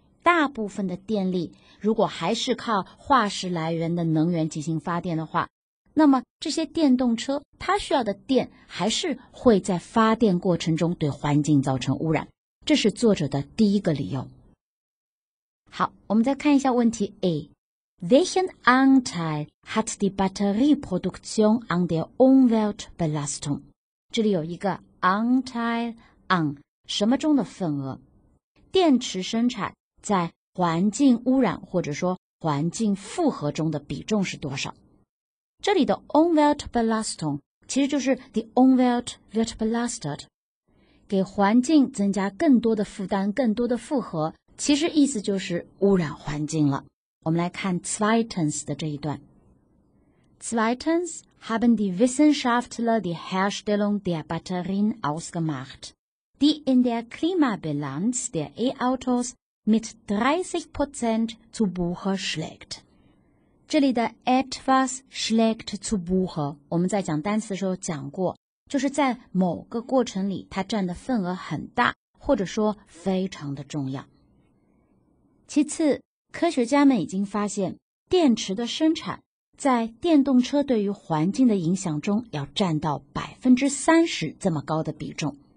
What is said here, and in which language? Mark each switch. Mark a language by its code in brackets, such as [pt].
[zh] 大部分的电力如果还是靠化石来源的能源进行发电的话，那么这些电动车它需要的电还是会在发电过程中对环境造成污染，这是作者的第一个理由。好，我们再看一下问题 A。 [de] Welchen Anteil hat die Batterieproduktion an der Umweltbelastung? [zh] 这里有一个 Anteil an 什么中的份额，电池生产在环境污染或者说环境负荷中的比重是多少？这里的 umweltbelastung 其实就是 [de] the umweltbelastet， [zh] 给环境增加更多的负担，更多的负荷，其实意思就是污染环境了。我们来看 zweitens 的这一段。 [de] Zweitens haben die Wissenschaftler die Herstellung der Batterien ausgemacht, die in der Klimabilanz der E-Autos mit 30% zu Buche schlägt. [zh] 这里的 [de] etwas schlägt zu Buche， [zh] 我们在讲单词的时候讲过，就是在某个过程里它占的份额很大，或者说非常的重要。其次，科学家们已经发现电池的生产在电动车对于环境的影响中要占到 30% 这么高的比重。